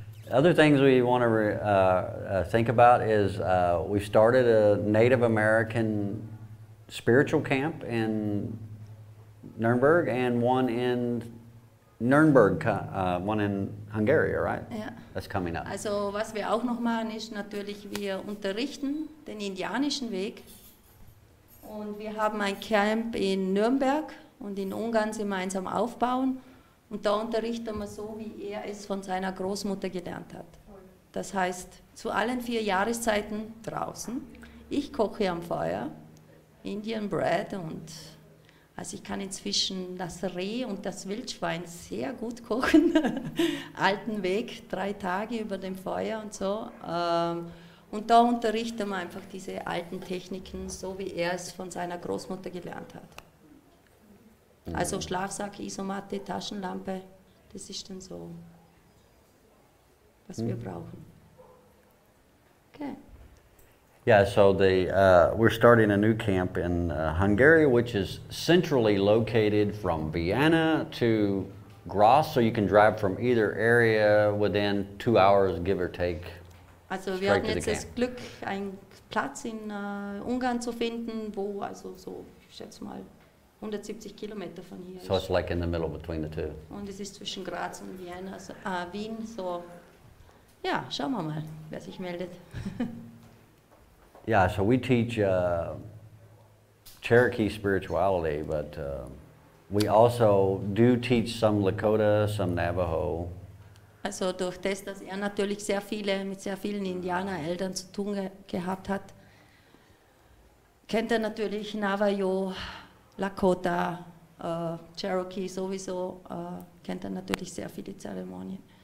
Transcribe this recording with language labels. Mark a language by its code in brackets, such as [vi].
[en] other things we want to think about is we started a Native American spiritual camp in Nuremberg and one in Nürnberg, one in Hungary, right? [de] Ja. [en] That's coming up. [de] Also was wir auch noch machen ist natürlich, wir unterrichten den indianischen Weg. Und wir haben ein Camp in Nürnberg und in Ungarn gemeinsam aufbauen. Und da unterrichten wir so, wie er es von seiner Großmutter gelernt hat. Das heißt, zu allen vier Jahreszeiten draußen. Ich koche am Feuer, Indian Bread, und also ich kann inzwischen das Reh und das Wildschwein sehr gut kochen. Alten Weg, 3 Tage über dem Feuer und so. Und da unterrichten wir einfach diese alten Techniken, so wie er es von seiner Großmutter gelernt hat. Also Schlafsack, Isomatte, Taschenlampe, das ist dann so, was wir brauchen. [en] Okay. Yeah, so we're starting a new camp in Hungary, which is centrally located from Vienna to Graz, so you can drive from either area within 2 hours, give or take. [de] Also wir hatten jetzt das Glück, einen Platz in Ungarn zu finden, wo, also so, ich schätze mal, 170 Kilometer von hier ist. [en] So it's like in the middle between the two. [de] Und es ist zwischen Graz und Vienna, so, Wien, so, ja, schauen wir mal, wer sich meldet. [en] Yeah, so we teach Cherokee spirituality, but we also do teach some Lakota, some Navajo. [de] Also durch das, dass er natürlich sehr viele mit sehr vielen Indianereltern zu tun gehabt hat, kennt er natürlich Navajo, Lakota, Cherokee sowieso, kennt er natürlich sehr viele Zeremonien.